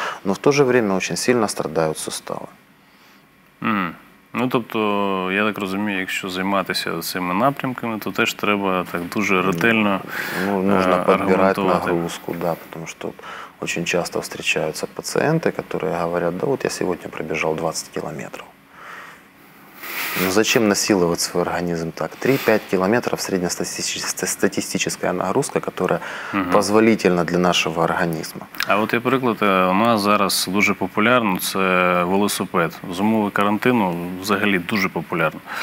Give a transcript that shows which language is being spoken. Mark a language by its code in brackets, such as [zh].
[ru] Но в то же время очень сильно страдают суставы. [uk] Ну, тобто, я так розумію, якщо займатися цими напрямками, то теж треба так дуже ретельно аргументувати. [ru] Нужно подбирати нагрузку, да, тому що очень часто встречаются пациенты, которые говорят, да вот я сегодня пробежал 20 километров. Ну зачем насиловать свой организм так? 3-5 километров среднестатистическая нагрузка, которая позволительна для нашего организма. [uk] А вот я приклад, у нас зараз дуже популярно, це велосипед. З умови карантину взагалі дуже популярно.